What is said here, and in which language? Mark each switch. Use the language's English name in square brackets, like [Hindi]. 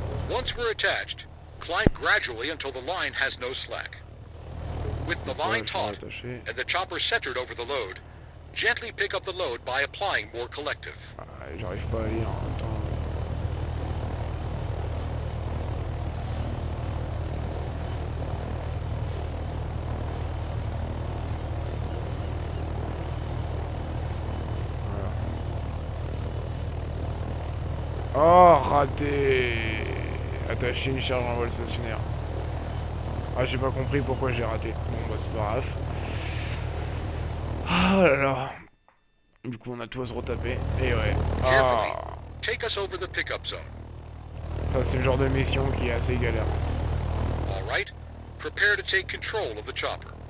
[English] Once we're attached, climb gradually until the line has no slack. With the line taut and the chopper centered over the load, gently pick up the load by applying more collective. [French] J'arrive pas à lire en même temps. Oh, raté! Attacher une charge en voile stationnaire. Ah, j'ai pas compris pourquoi j'ai raté. Bon, bah, c'est pas grave. Oh là là. Du coup, on a tout à se retaper. Et ouais. Oh. [English] Take us over the pickup zone. [French] Ça, c'est le genre de mission qui est assez galère. [English] All right. Prepare to take control of the chopper.